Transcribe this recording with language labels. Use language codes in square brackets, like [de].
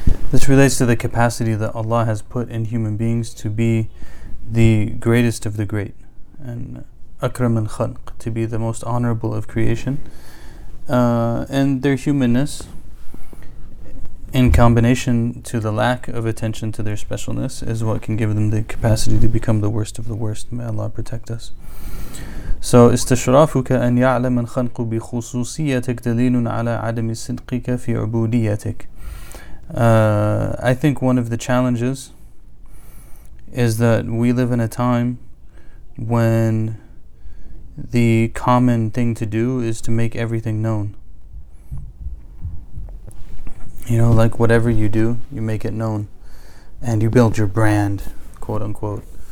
[en] This relates to the capacity that Allah has put in human beings to be the greatest of the great, and [ar] akram al-khalq, [en] to be the most honorable of creation. And their humanness, in combination to the lack of attention to their specialness, is what can give them the capacity to become the worst of the worst. May Allah protect us. [ar] So, استشرافك أن يعلم الخلق بخصوصيتك دليل على عدم صدقك في عبوديتك. [en] I think one of the challenges is that we live in a time when the common thing to do is to make everything known. You know, like whatever you do, you make it known. And you build your brand, quote unquote.